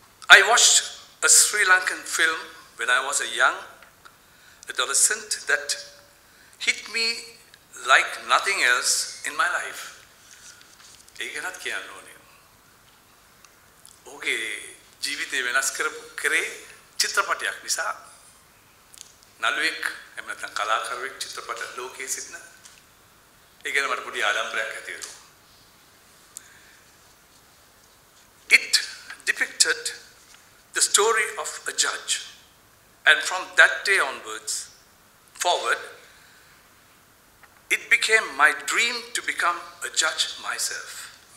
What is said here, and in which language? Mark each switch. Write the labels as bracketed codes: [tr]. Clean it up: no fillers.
[en] I watched a Sri Lankan film when I was a young adolescent that hit me like nothing else in my life. [si] ඒක නත් කියන්න ඕනේ. ඔහුගේ ජීවිතේ වෙනස් කරේ චිත්‍රපටයක් නිසා. නළුවෙක් එහෙම නැත්නම් කලාකරුවෙක් චිත්‍රපට ලෝකයේ සිටින. ඒක ගැන මට පොඩි ආඩම්බරයක් ඇති වෙනවා. [en] It depicted the story of a judge. And from that day onwards, forward, it became became my dream to become a judge myself.